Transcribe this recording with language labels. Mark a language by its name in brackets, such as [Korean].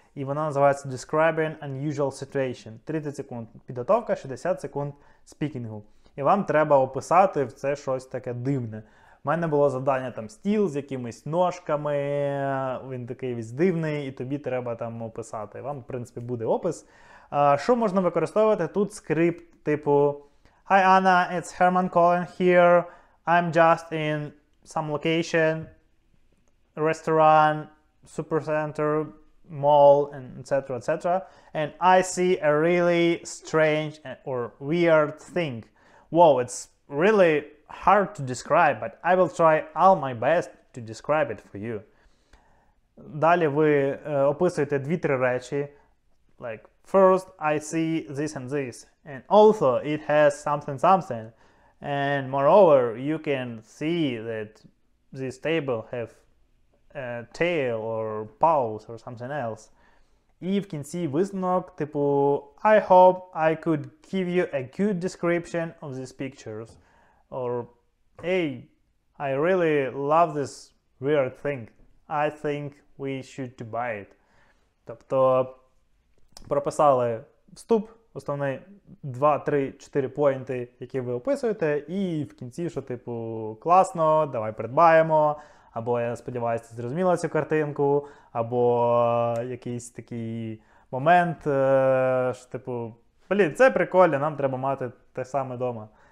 [Ukrainian] І вона називається [English] «Describing unusual situation». [Ukrainian] 30 секунд підготовка, 60 секунд спікінгу. І вам треба описати в це щось таке дивне. У мене було завдання там стіл з якимись ножками, він такий весь дивний, і тобі треба там описати. Вам, в принципі, буде опис. Що можна використовувати? Тут скрипт типу [English] «Hi Anna, it's Herman calling here. I'm just in some location, restaurant, supercenter, mall, and etc. etc. And I see a really strange or weird thing. Whoa, it's really hard to describe, but I will try all my best to describe it for you». [Ukrainian] Далі ви описуєте дві-три речі. [English] Like, first I see this and this, and also it has something something. And moreover, you can see that this table have a tail or paws or something else. [Ukrainian] І в кінці висновок, типу, [English] I hope I could give you a good description of these pictures. Or, hey, I really love this weird thing. I think we should buy it. [Ukrainian] Тобто, прописали вступ, основний 2-3-4 поінти, які ви описуєте, і в кінці, що, типу, класно, давай придбаємо, або, я сподіваюся, зрозуміла цю картинку, або якийсь такий момент, що, типу, блін, це прикольно, нам треба мати те саме вдома.